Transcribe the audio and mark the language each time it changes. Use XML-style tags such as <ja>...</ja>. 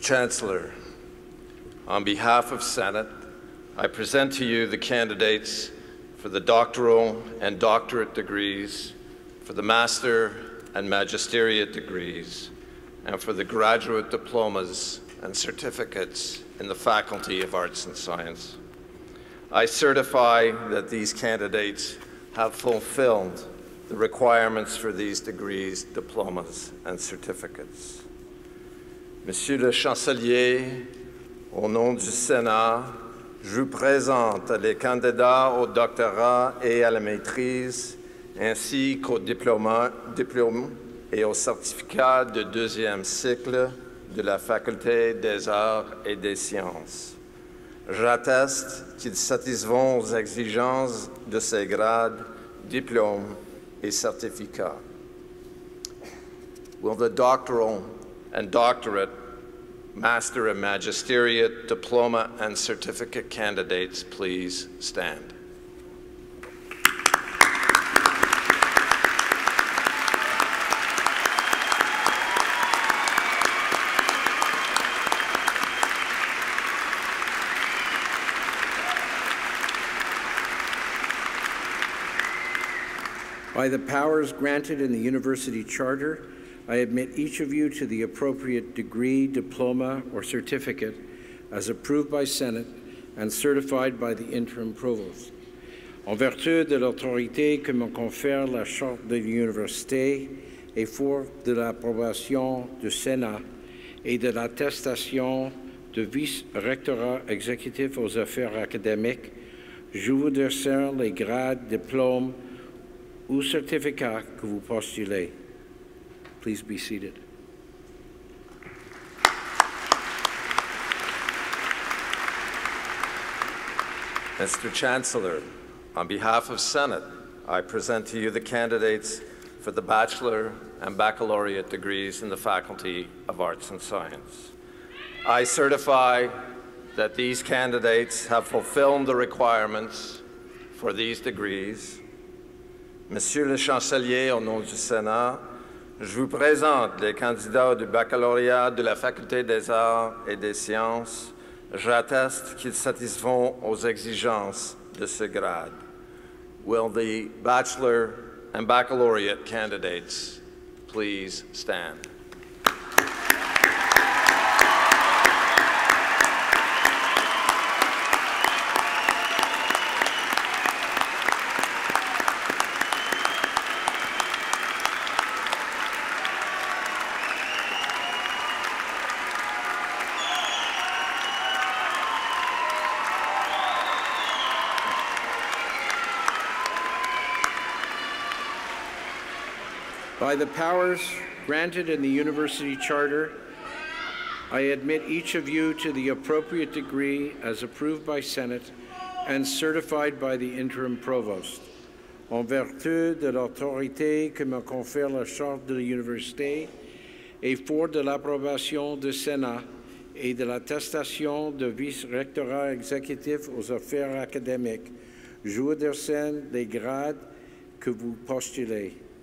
<en>Chancellor, on behalf of Senate, I present to you the candidates for the doctoral and doctorate degrees, for the master and magisteriate degrees, and for the graduate diplomas and certificates in the Faculty of Arts and Science. I certify that these candidates have fulfilled the requirements for these degrees, diplomas, and certificates.</en> <fr>Monsieur le Chancelier, au nom du Sénat, je vous présente les candidats au doctorat et à la maîtrise, ainsi qu'au diplôme et au certificat de deuxième cycle de la Faculté des Arts et des Sciences. J'atteste qu'ils satisfont aux exigences de ces grades, diplômes et certificats.</fr> <en>Will the doctoral and doctorate, master and magisteriate, diploma and certificate candidates please stand? By the powers granted in the University Charter, I admit each of you to the appropriate degree, diploma, or certificate as approved by Senate and certified by the Interim Provost.</en> <fr>En vertu de l'autorité que me confère la Charte de l'Université et pour de l'approbation du Sénat et de l'attestation de vice-rectorat exécutif aux affaires académiques, je vous décerne les grades, diplômes, ou certificat que vous postulez.</fr> <en>Please be seated. Mr. Chancellor, on behalf of Senate, I present to you the candidates for the bachelor and baccalaureate degrees in the Faculty of Arts and Science. I certify that these candidates have fulfilled the requirements for these degrees.</en> <fr>Monsieur le Chancelier, au nom du Sénat, je vous présente les candidats du baccalauréat de la Faculté des Arts et des Sciences. J'atteste qu'ils satisfont aux exigences de ce grade.</fr> <en>Will the bachelor and baccalaureate candidates please stand? By the powers granted in the University Charter, I admit each of you to the appropriate degree as approved by Senate and certified by the Interim Provost.</en> <fr>En vertu de l'autorité que me confère la Charte de l'Université et pour de l'approbation du Sénat et de l'attestation de vice-rectorat exécutif aux affaires académiques, je vous décerne les grades que vous postulez.</fr>